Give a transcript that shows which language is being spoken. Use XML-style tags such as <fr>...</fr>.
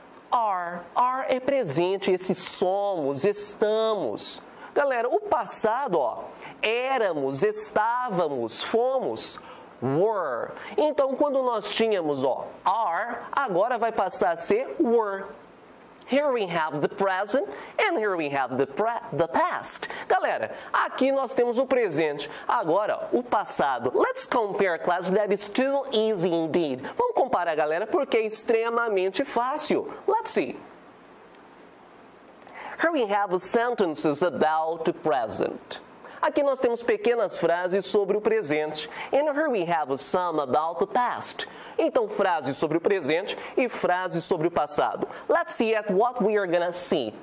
<pt>Are é presente, esse somos, estamos. Galera, o passado, ó, éramos, estávamos, fomos, were. Então, quando nós tínhamos, ó, are, agora vai passar a ser were.</pt> <en>Here we have the present and here we have the past.</en> <pt>Galera, aqui nós temos o presente, agora o passado.</pt> <en>Let's compare, class, that is too easy indeed.</en> <pt>Vamos comparar, galera, porque é extremamente fácil.</pt> <en>Let's see. Here we have sentences about the present.</en> <pt>Aqui nós temos pequenas frases sobre o presente.</pt> <en>And here we have some about the past.</en> <pt>Então, frases sobre o presente e frases sobre o passado.</pt> <en>Let's see at what we are gonna see.</en>